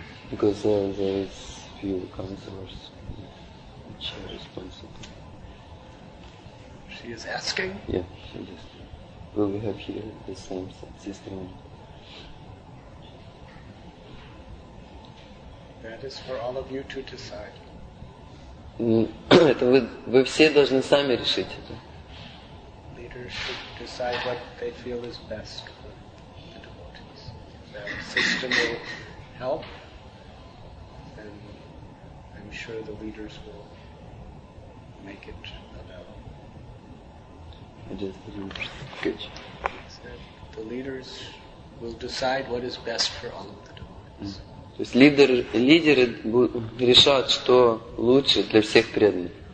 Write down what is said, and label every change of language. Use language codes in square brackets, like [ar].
[en] Because there is few counselors which are responsible. She is asking? Yeah, she is asking. Will we have here the same system? That is for all of you to decide. [ru] Это вы все должны сами решить это. [en] Leaders should decide what they feel is best for the devotees. That system will help, then I'm sure the leaders will make it available. I just didn't catch. The leaders will decide what is best for all of the devotees. Mm. [ru] То есть лидеры решат, что лучше для всех преданных.